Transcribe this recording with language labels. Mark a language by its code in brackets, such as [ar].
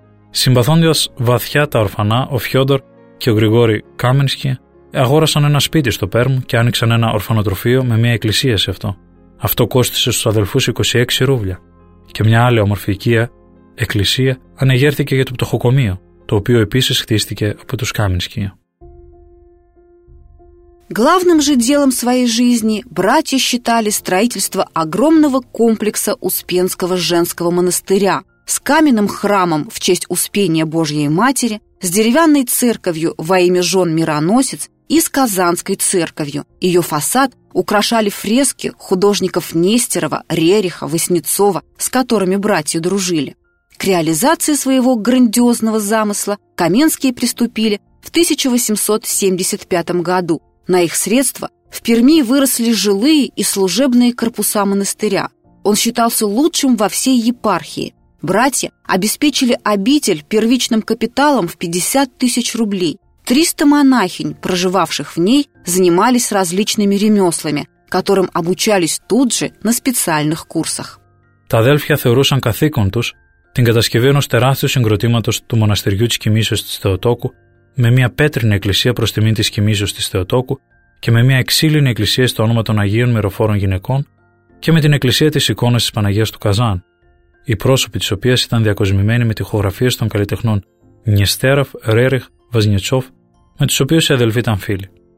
[el] Συμπαθώντας βαθιά τα ορφανά, ο Φιόντορ και ο Γρηγόρη Κάμενσκι αγόρασαν ένα σπίτι στο Πέρμ και άνοιξαν ένα ορφανοτροφείο με μια εκκλησία σε αυτό. Αυτό κόστισε στους αδελφούς 26 ρούβλια. Και μια άλλη όμορφη οικία, εκκλησία, ανεγέρθηκε για το πτωχοκομείο, το οποίο επίσης χτίστηκε από τους Κάμενσκι. [ru] Главным же делом своей жизни братья считали строительство огромного комплекса Успенского женского монастыря с каменным храмом в честь Успения Божьей Матери, с деревянной церковью во имя жен Мироносец и с Казанской церковью. Ее фасад украшали фрески художников Нестерова, Рериха, Васнецова, с которыми братья дружили. К реализации своего грандиозного замысла Каменские приступили в 1875 году. На их средства в Перми выросли жилые и служебные корпуса монастыря. Он считался лучшим во всей епархии. Братья обеспечили обитель первичным капиталом в 50 тысяч рублей. 300 монахинь, проживавших в ней, занимались различными ремеслами, которым обучались тут же на специальных курсах. [el] Τα αδέλφια θεωρούσαν καθήκον τους την κατασκευή ενός τεράστιου συγκροτήματος του μοναστηριού της Κοιμήσεως της Θεοτόκου με μια πέτρινη εκκλησία προς τιμήν της Κοιμήσεως της Θεοτόκου και με μια εξήλινη εκκλησία στο όνομα των Αγίων Μυροφόρων Γυναικών και με την εκκλησία της εικόνας της Παναγίας του Καζάν, οι πρόσωποι της οποίας ήταν διακοσμημένοι με τοιχογραφίες των καλλιτεχνών Νιεστέραφ, Ρέριχ, Βασνιτσόφ, με τους οποίους οι αδελφοί ήταν φίλοι.